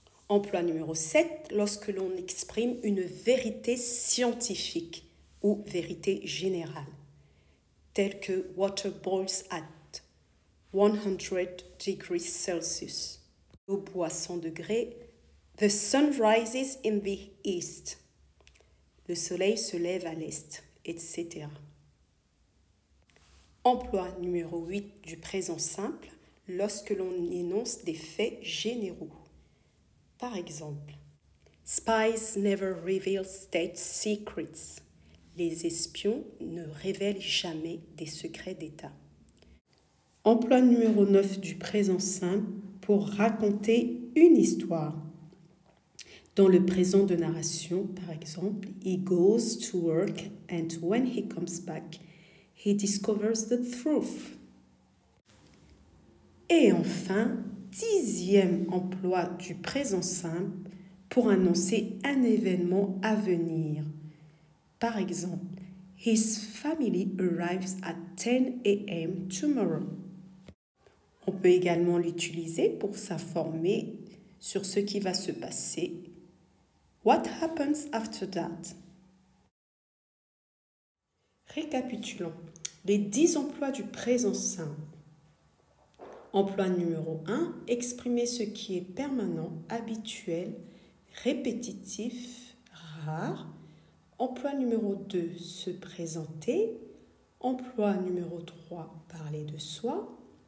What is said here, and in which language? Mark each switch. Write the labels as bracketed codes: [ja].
[fr] Emploi numéro 7, lorsque l'on exprime une vérité scientifique ou vérité générale, telle que [en] water boils at 100 degrees Celsius. [fr] L'eau boit 100 degrés. [en] The sun rises in the east. [fr] Le soleil se lève à l'est, etc. Emploi numéro 8 du présent simple, lorsque l'on énonce des faits généraux. Par exemple, [en] spies never reveal state secrets. [fr] Les espions ne révèlent jamais des secrets d'État. Emploi numéro 9 du présent simple pour raconter une histoire. Dans le présent de narration, par exemple, [en] he goes to work and when he comes back, he discovers the truth. [fr] Et enfin, 10e emploi du présent simple pour annoncer un événement à venir. Par exemple, [en] his family arrives at 10 a.m. tomorrow. [fr] On peut également l'utiliser pour s'informer sur ce qui va se passer. [en] What happens after that? [fr] Récapitulons. Les 10 emplois du présent simple. Emploi numéro 1, exprimer ce qui est permanent, habituel, répétitif, rare. Emploi numéro 2, se présenter. Emploi numéro 3, parler de soi.